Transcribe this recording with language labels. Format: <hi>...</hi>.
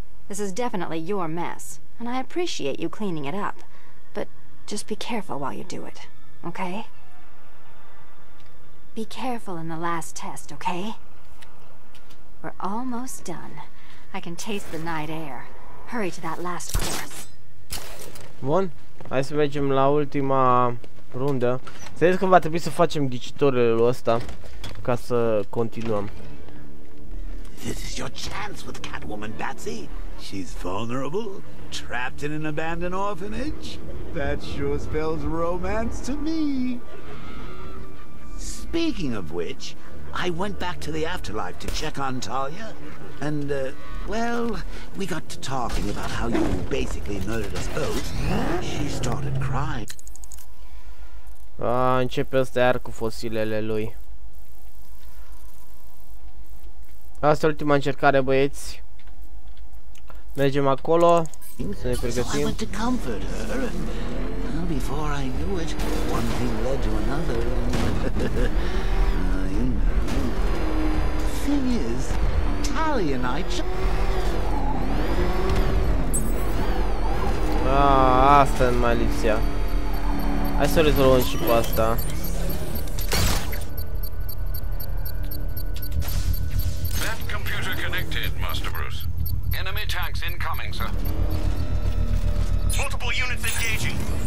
<en>This is definitely your mess, and I appreciate you cleaning it up. But just be careful while you do it, okay? Be careful in the last test, okay? We're almost done. I can taste the night air. Hurry to that last course.</en> <ro>Bun, hai să mergem la ultima rundă. Să vedeți că va trebui să facem ghicitorul ăsta ca să continuăm.</ro> <en>This is your chance with Catwoman, Batsy. She's vulnerable, trapped in an abandoned orphanage. That sure spells romance to me. Speaking of which, I went back to the afterlife to check on Talia, and, well, we got to talking about how you basically murdered us both. She started crying.</en> <ro>Ah, începe ăsta iar cu fosilele lui. Asta e ultima încercare, băieți. Mergem acolo, să ne pregătim.</ro> <en>So I went to comfort her, and before I knew it, one thing led to another, and... thing is, Tali and I...</en> <ro>asta e mai lipsia. Hai să rezolvăm și cu asta.</ro> <en>That computer connected, Master Bruce. Enemy tanks incoming, sir. Multiple units engaging.</en>